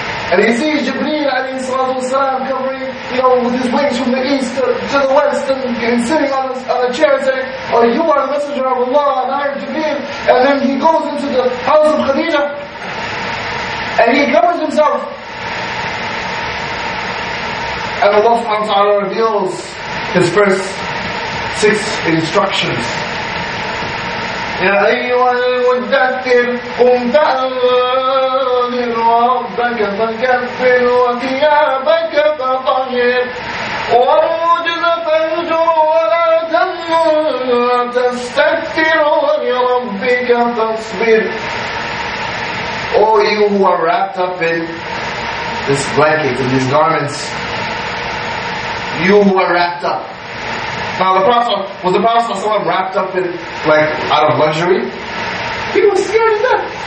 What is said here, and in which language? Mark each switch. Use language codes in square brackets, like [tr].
[en] And he sees Jibreel alayhi salatu wasalam covering, with his wings from the east to the west and sitting on a chair saying, oh, you are the messenger of Allah and I am Jibreel. And then he goes into the house of Khadija and he covers himself. And Allah subhanahu wa ta'ala reveals his first 6 instructions. [ar] يَا أَيُّهَا الْمُدَّثِّرْ قُمْ تَأْذِرْ رَبَّكَ فَكَفِّرْ وَثِيَابَكَ فَطَهِّرْ وَالرُّجْزَ فَاهْجُرْ وَلَا تَمْنُنْ تَسْتَكْثِرْ وَلِرَبِّكَ فَاصْبِرْ [en] O you who are wrapped up in this blanket, in these garments, you who are wrapped up. Now, the Prophet, was the Prophet someone wrapped up in, like, out of luxury? He was scared of death.